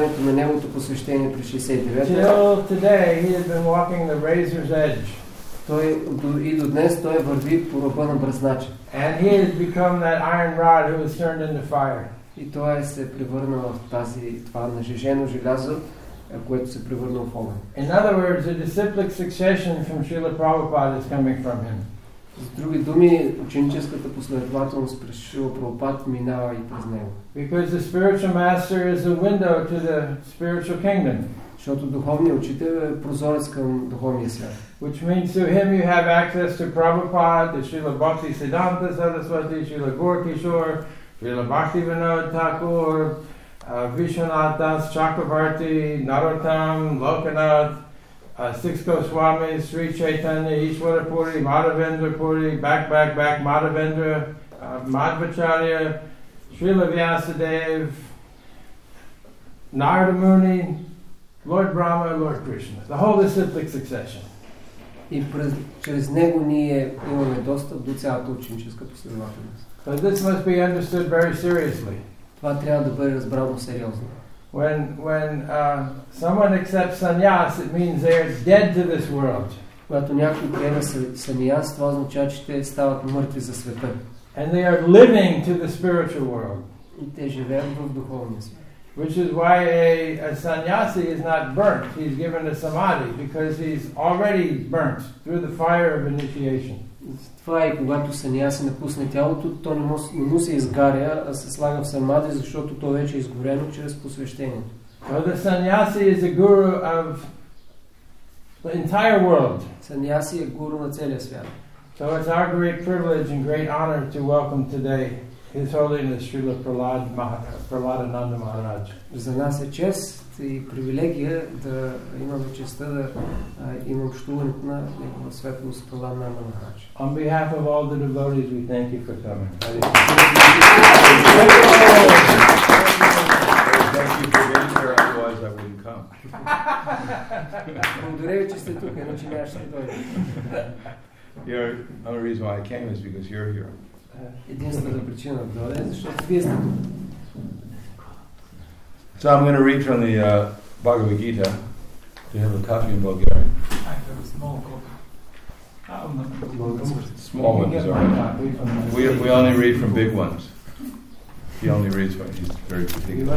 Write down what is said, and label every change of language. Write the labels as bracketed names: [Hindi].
[Bulgarian] времето на неговото посвещение през 69, [English] till today he has been walking the razor's edge. [Bulgarian] Той и до днес той върви по ръба на бръснача. [English] And he has become that iron rod who was turned into fire. [Bulgarian] И той се превърнал в това нажежено желязо, което се превърнал в огън. [English] In other words, the disciplic succession from Srila Prabhupada is coming from him. [Bulgarian] С други думи, ученическата последователност през Шрила Прабхупад минава и през него. [English] Because the spiritual master is a window to the spiritual kingdom. [Bulgarian] Защото духовният учител е прозорец към духовния свят. [English] Which means to him you have access to Prabhupada, the Srila Bhakti Siddhanta Saraswati, Srila Gaurakishore, Srila Bhakti Vinod Thakur, Vishwanath Das Chakravarti, Narottam, Lokanath, Six Goswami, Sri Chaitanya, Ishwara Puri, Madhavendra Puri, back, Madhavendra, Madhvacharya, Srila Vyasadev, Narada Muni, Lord Brahma, Lord Krishna, the whole disciplic succession. [Bulgarian] И чрез него ние имаме достъп до цялата ученическа последователност. [English] But this must be understood very seriously. [Bulgarian] Това трябва да бъде разбрано сериозно. [English] When someone accepts sannyas, it means they are dead to this world. [Bulgarian] Когато някой приема сънияс, това означава, че те стават мъртви за света. [English] And they are living to the spiritual world. [Bulgarian] И те живеят в духовния свят. [English] Which is why a sannyasi is not burnt. He's given a samadhi because he's already burnt through the fire of initiation. [Bulgarian] Това е, когато сънняси напусне тялото, то не му се изгаря, а се слага в самади, защото то вече е изгорено чрез посвещението. [English] So the sannyasi is a guru of the entire world. [Bulgarian] Сънняси е гуру на целия свят. [English] So it's our great privilege and great honor to welcome today His Holiness Srila Praladananda Maharaj. [Bulgarian] За нас е чест и привилегия да имаме честта да имам общуването на Негова Светлост Праладананда Махарадж. [English] On behalf of all the devotees, we thank you for coming. Thank you for being here, otherwise I wouldn't come. [Bulgarian] Благодаря ви, че сте тук, иначе нямаше да дойде. [English] The only reason why I came is because you're here. [Bulgarian] Единствената причина да дойде, защото вие сте тук. [English] So I'm going to read from the Bhagavad Gita. Do you have a copy in Bulgarian? I have a small copy. Small ones, sorry. We only read from big ones. He only reads when he's very particular.